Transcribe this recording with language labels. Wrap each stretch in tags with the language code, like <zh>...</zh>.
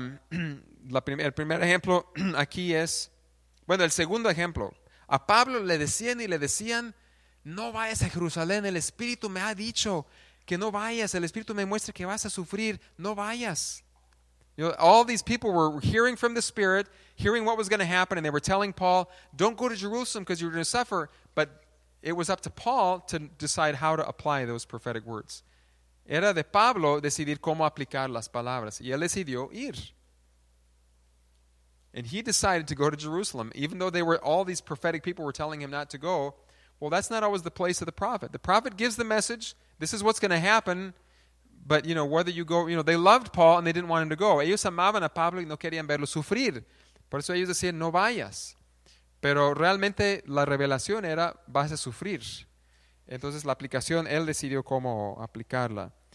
<es>El primer ejemplo aquí es, el segundo ejemplo. A Pablo le decían y le decían, no vayas a Jerusalén, el Espíritu me ha dicho que no vayas, el Espíritu me muestra que vas a sufrir, no vayas.</es> <en>All these people were hearing from the Spirit, hearing what was going to happen, and they were telling Paul, don't go to Jerusalem because you're going to suffer, but it was up to Paul to decide how to apply those prophetic words.</en> <es>Era de Pablo decidir cómo aplicar las palabras. Y él decidió ir.</es> <en>And he decided to go to Jerusalem, even though all these prophetic people were telling him not to go. Well, that's not always the place of the prophet. The prophet gives the message, this is what's going to happen, but whether you go, they loved Paul and they didn't want him to go.</en> <es>Ellos amaban a Pablo y no querían verlo sufrir. Por eso ellos decían, no vayas. Pero realmente la revelación era, vas a sufrir. Entonces la aplicación, él decidió cómo aplicarla.</es>